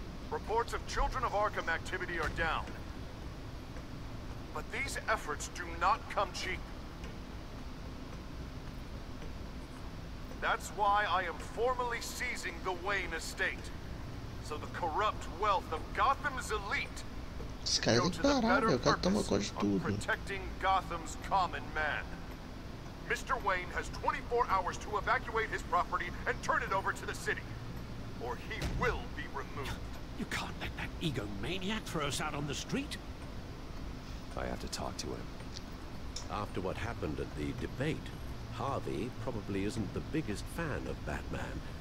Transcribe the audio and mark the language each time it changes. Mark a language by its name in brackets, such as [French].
[English] Reports of Children of Arkham activity are down. But these efforts do not come cheap. That's why I am formally seizing the Wayne estate. So the corrupt wealth of Gotham's elite [Portuguese] Esse cara é imparável, o cara toma conta de tudo. [English] Protecting Gotham's common man. Mr. Wayne has 24 hours to evacuate his property and turn it over to the city, or he will be removed. You can't let that egomaniac throw us out on the street. I have to talk to him. After what happened at the debate, Harvey probably isn't the biggest fan of Batman.